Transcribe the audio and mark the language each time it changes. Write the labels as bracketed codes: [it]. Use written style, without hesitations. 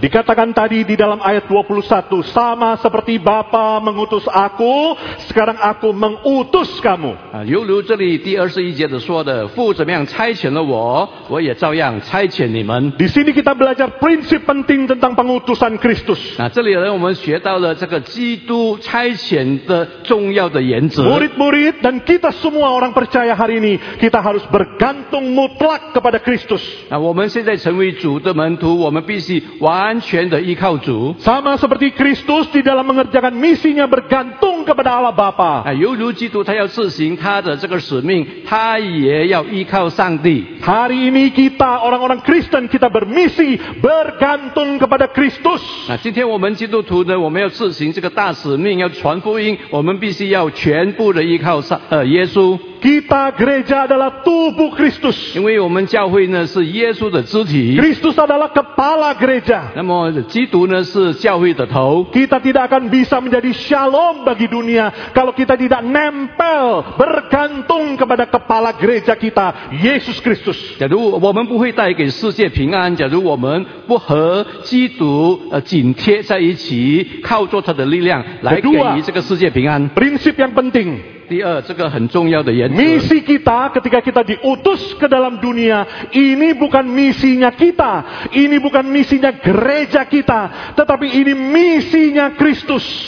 [id] Dikatakan tadi di dalam ayat 21, sama seperti Bapa mengutus aku, sekarang aku mengutus kamu. [zh] 犹如这里第21节的说的，父怎么样差遣了我，我也照样差遣你们。 [id] Di sini kita belajar prinsip penting tentang pengutusan Kristus. [zh] 这里呢，我们学到了这个基督 基督差遣的重要的原则。 [id] Murid-murid dan kita semua orang percaya hari ini, kita harus bergantung mutlak kepada Kristus. [zh] 我们现在成为主的门徒，我们必须完全的依靠主。 [id] Sama seperti Kristus di dalam mengerjakan misinya bergantung kepada Allah Bapa. [zh] 犹如基督他要执行他的这个使命，他也要依靠上帝。 [id] Hari ini kita orang-orang Kristen, kita bermisi bergantung kepada Kristus. [zh] 今天我们基督徒呢，我们要执行这个大使命，要传福音，我们必须要全部的依靠耶稣。 [id] Kita gereja adalah tubuh Kristus. [zh] 因为我们教会呢是耶稣的肢体。 [id] Kristus adalah kepala gereja. [zh] 那么基督呢是教会的头。 [id] Kita tidak akan bisa menjadi shalom bagi dunia kalau kita tidak nempel bergantung kepada kepala gereja kita, Yesus Kristus. [zh] 假如我们不会带给世界平安，假如我们不和基督紧贴在一起，靠着他的力量来给予这个世界平安。 [id] Prinsip yang penting. [zh] 第二，这个很重要的原则。 [id] Misi kita ketika kita diutus ke dalam dunia, ini bukan misinya kita, ini bukan misinya gereja kita, tetapi ini misinya Kristus.